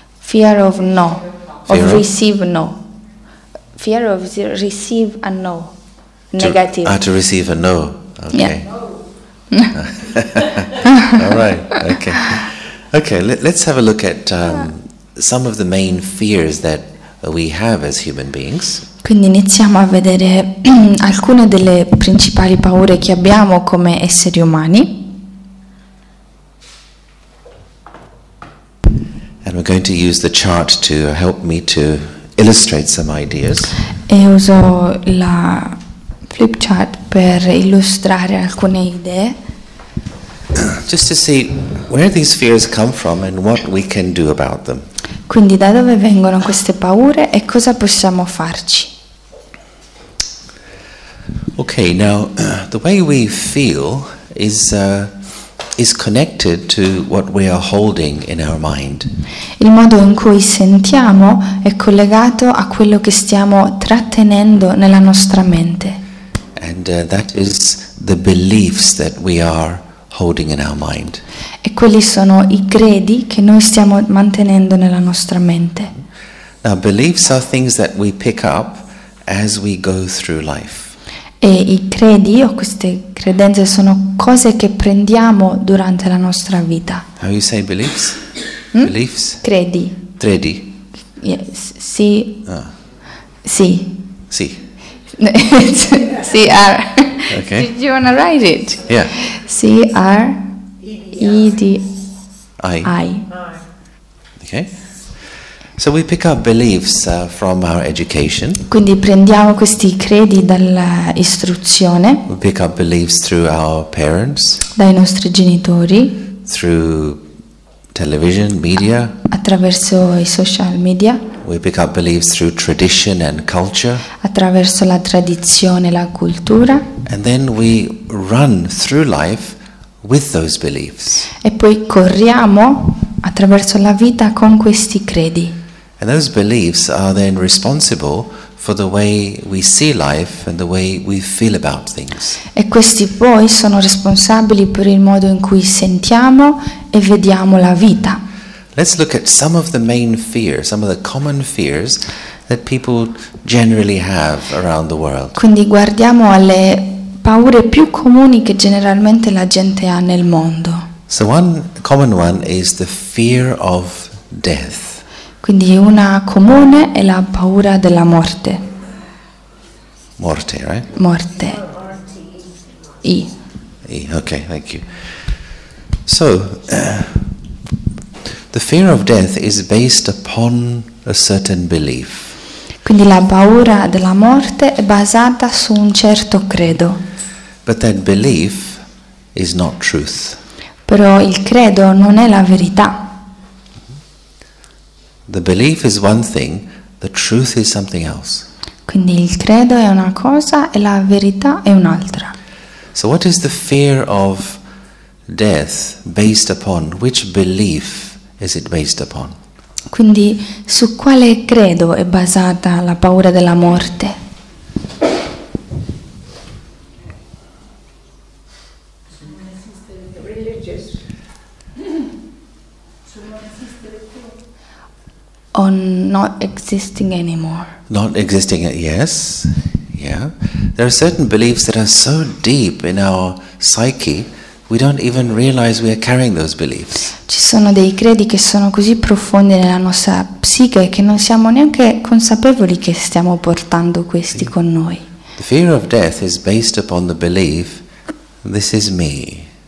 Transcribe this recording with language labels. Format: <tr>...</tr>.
<en>Fear of no. Fear of receive no. Fear of receive a no. Negative. To receive a no. Okay. Yeah. No. All right, okay. Okay, let's have a look at some of the main fears that we have as human beings.</en> <it>Quindi iniziamo a vedere alcune delle principali paure che abbiamo come esseri umani.</it> <en>I'm going to use the chart to help me to illustrate some ideas.</en> <it>E uso la flip chart per illustrare alcune idee.</it> <en>Just to see where these fears come from and what we can do about them.</en> <it>Quindi da dove vengono queste paure e cosa possiamo farci?</it> <en>Okay, now the way we feel is connected to what we are holding in our mind.</en> <it>Il modo in cui sentiamo è collegato a quello che stiamo trattenendo nella nostra mente.</it> <en>And that is the beliefs that we are holding in our mind.</en> <it>E quelli sono i credi che noi stiamo mantenendo nella nostra mente.</it> <en>Now, beliefs are things that we pick up as we go through life.</en> <it>E i credi o queste credenze sono cose che prendiamo durante la nostra vita.</it> <en>How you say beliefs? Beliefs?</en> <it>Credi. Credi.</it> <en>Yes.</en> <it>Sì. Sì. Sì. C-R.</it> <en>Okay. Did you wanna write it? Yeah. C-R-E-D-I. I. Okay. So we pick up beliefs from our education.</en> <it>Quindi prendiamo questi credi dall'istruzione.</it> <en>We pick up beliefs through our parents.</en> <it>Dai nostri genitori.</it> <en>Through television, media.</en> <it>Attraverso i social media.</it> <en>We pick up beliefs through tradition and culture.</en> <it>Attraverso la tradizione e la cultura.</it> <en>And then we run through life with those beliefs.</en> <it>E poi corriamo attraverso la vita con questi credi.</it> <en>And those beliefs are then responsible for the way we see life and the way we feel about things.</en> <it>E questi poi sono responsabili per il modo in cui sentiamo e vediamo la vita.</it> <en>Let's look at some of the main fears, some of the common fears that people generally have around the world.</en> <it>Quindi guardiamo alle paure più comuni che generalmente la gente ha nel mondo.</it> <en>So one common one is the fear of death.</en> <it>Quindi una comune è la paura della morte. Morte,</it> <en>right?</en> <it>Morte. I.</it> <en>I, okay, thank you. So, the fear of death is based upon a certain belief.</en> <it>Quindi la paura della morte è basata su un certo credo.</it> <en>But that belief is not truth.</en> <it>Però il credo non è la verità.</it> <en>The belief is one thing, the truth is something else.</en> <it>Quindi il credo è una cosa e la verità è un'altra.</it> <en>So what is the fear of death based upon? Which belief is it based upon?</en> <it>Quindi su quale credo è basata la paura della morte?</it> <en>On not existing anymore. Not existing, yes. Yeah. There are certain beliefs that are so deep in our psyche, we don't even realize we are carrying those beliefs.</en> <it>Ci sono dei credi che sono così profondi nella nostra psiche che non siamo neanche consapevoli che stiamo portando questi con noi.</it> <en>The fear of death is based upon the belief, this is me.</en>